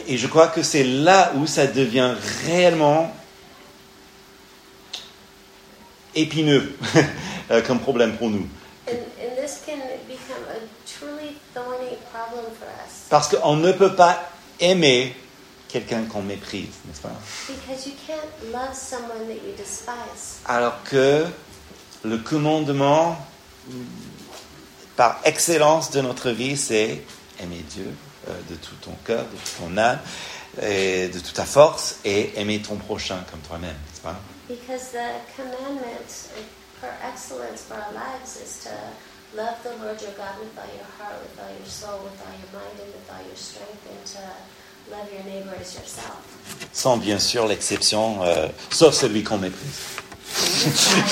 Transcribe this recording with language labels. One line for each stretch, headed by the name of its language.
French: Et je crois que c'est là où ça devient réellement épineux comme problème pour nous.
English: And this can become a truly thorny problem for us.
French: Parce qu'on ne peut pas aimer quelqu'un qu'on méprise, n'est-ce pas?
English: Because you can't love someone that you despise.
French: Alors que le commandement par excellence de notre vie, c'est aimer Dieu de tout ton cœur, de toute ton âme, et de toute ta force, et aimer ton prochain comme toi-même, n'est-ce pas?
English: Because the commandment per excellence for our lives is to love the Lord your God with all your heart, with all your soul, with all your mind, and with all your strength, and to love your neighbor as yourself.
French: Sans bien sûr l'exception, sauf celui qu'on méprise.